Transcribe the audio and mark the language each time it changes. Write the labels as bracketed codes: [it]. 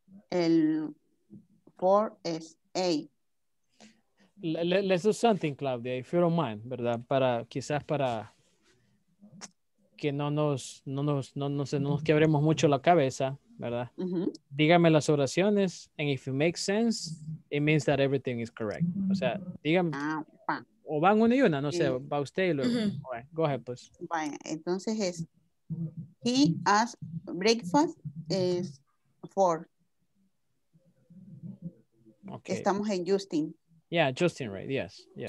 [es] El four es A. [en] Let's do something, Claudia, if you don't mind, ¿verdad? [es] Para, quizás para... que no nos quebremos mucho la cabeza, ¿verdad? Uh-huh. Dígame las oraciones, [en] and if it makes sense, it means that everything is correct. [es] O sea, dígame, o van una y una, no sé, va usted y luego. [en] Uh-huh. Right, go ahead, please. [es] Vaya, entonces es, [en] he has breakfast is four. Okay. [es] Estamos en Justin. [en] Yeah, Justin, right, yes. Yeah.